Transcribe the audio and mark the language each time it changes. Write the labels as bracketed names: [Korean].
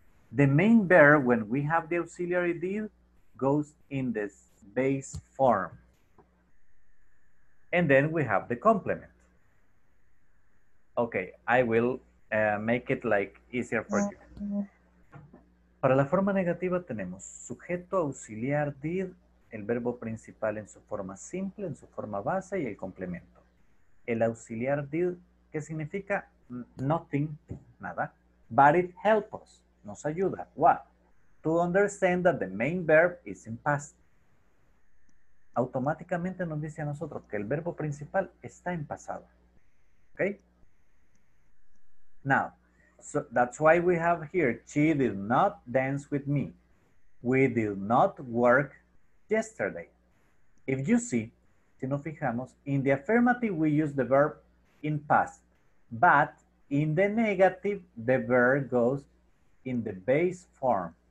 [English] The main verb, when we have the auxiliary did, goes in this base form. And then we have the complement. Okay, I will make it like easier for you. [Spanish] Para la forma negativa tenemos sujeto, auxiliar, did, el verbo principal en su forma simple, en su forma base y el complemento. El auxiliar did, ¿qué significa? Nothing, nada. [English] But it helps us, [Spanish] nos ayuda. [English] What? To understand that the main verb is in past. [Spanish] Automáticamente nos dice a nosotros que el verbo principal está en pasado. Okay? [English] Now, so that's why we have here, she did not dance with me. We did not work yesterday. If you see, [Spanish] si nos fijamos, [English] in the affirmative we use the verb in past. But in the negative, the verb goes in the base form.